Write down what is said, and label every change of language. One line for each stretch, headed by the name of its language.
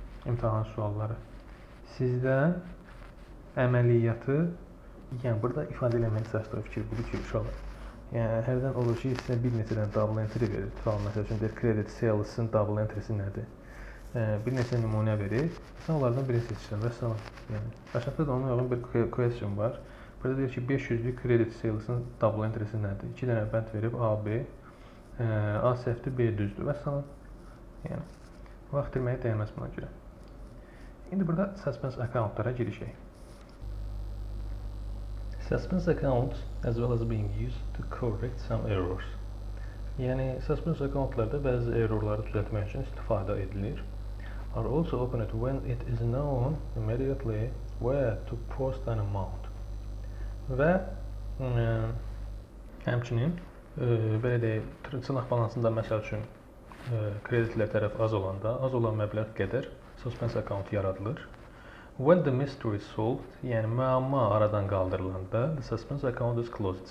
Azerbaijani: İmtahan sualları sizdən əməliyyatı, yəni burada ifadə eləməyə çalışdıq fikir budur ki, uşaqlar. Yəni hərdən olur ki, sizə bir neçədən double entry verir. Tutaq, məsəl üçün deyir, credit sales-ın double entry-si nədir? Bir neçə nümunə verir. Sən onlardan birini seçirsən və salam. Yəni aşağıda da ona uyğun bir question var. Burada deyir ki, 500-lük credit sales-ın double entry-si nədir? 2 dənə bənd verib A, B. A səhvdir, B düzdür və salam. Yəni vaxt deməyə dəyməz buna görə. İndi burada suspense account-lara girişək.
English: Suspense account as well as being used to correct some errors.
Azerbaijani: Yəni suspense account-larda bəzi errorları düzəltmək üçün istifadə edilir.
English: Are also opened when it is known immediately where to post an amount.
Azerbaijani: Və həmçinin belə deyək, çıxanaq balansında məsəl üçün kreditlər tərəf az olanda, az olan məbləğ qədər suspense account yaradılır.
English: When the mystery is solved,
Azerbaijani: yəni müəmma aradan qaldırılanda,
English: the suspense account is closed.